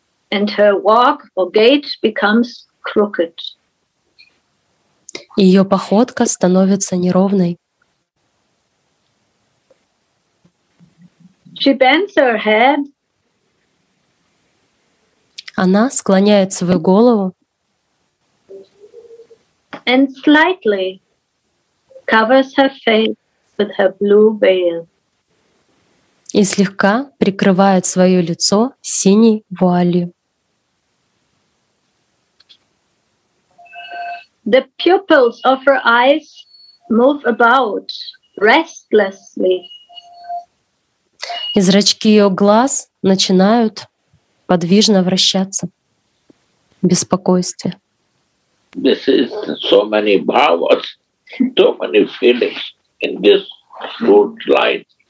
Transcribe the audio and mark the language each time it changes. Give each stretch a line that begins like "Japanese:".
English: And her walk or gait becomes crooked.
Russian: Ее походка становится неровной.
English: She bends her head.
Russian: Она склоняет свою голову.
English: And slightly covers her face with her blue veil.
Russian: И слегка прикрывает свое лицо синей вуалью.
English: The pupils of her eyes move about restlessly.
Russian: И зрачки ее глаз начинают подвижно вращаться в беспокойстве.
English: This is so many bhavas, so many feelings in this good light.